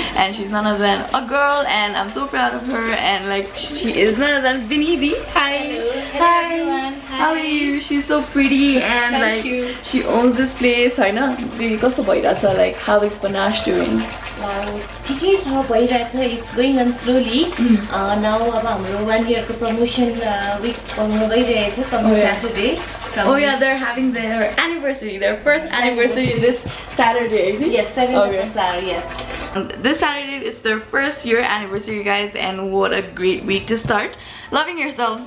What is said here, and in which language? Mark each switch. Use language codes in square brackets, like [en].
[en] And she's none other than a girl, and I'm so proud of her. And like, she is none other than Vinny B. Hi. Hello. Hello, everyone. Hi. How are you? She's so pretty, and like, you. She owns this place. I know. Because the boy that's like, how is Panache doing? [ne] ठिकै छ भइरहेछ, [en] It's going on slowly. [ne] Now अब हाम्रो 1 इयरको promotion week हुन गइरहेछ [en] Coming Saturday. Oh yeah, they're having their anniversary, their first anniversary this Saturday. Yes, 7th of the Saturday, yes. This Saturday is their first year anniversary, guys, and what a great week to start loving yourself.